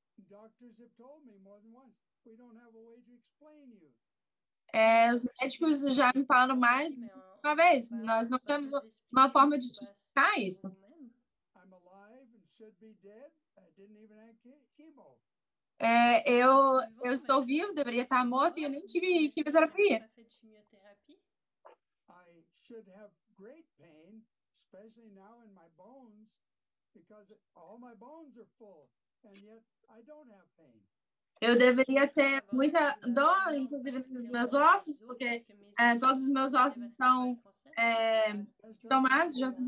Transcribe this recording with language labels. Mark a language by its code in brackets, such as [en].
[en] doctors have told me more than once, we don't have a way to explain you. [pt] É, os médicos já me falaram mais uma vez. Nós não temos uma forma de explicar isso. [en] I'm alive and should be dead. I didn't even have chemo. [pt] É, eu estou vivo, deveria estar morto e eu nem tive quimioterapia. [en] I should have great pain, especially now in my bones, because all my bones are full, and yet I don't have pain. [pt] Eu deveria ter muita dor, inclusive nos meus ossos, porque é, todos os meus ossos estão tomados.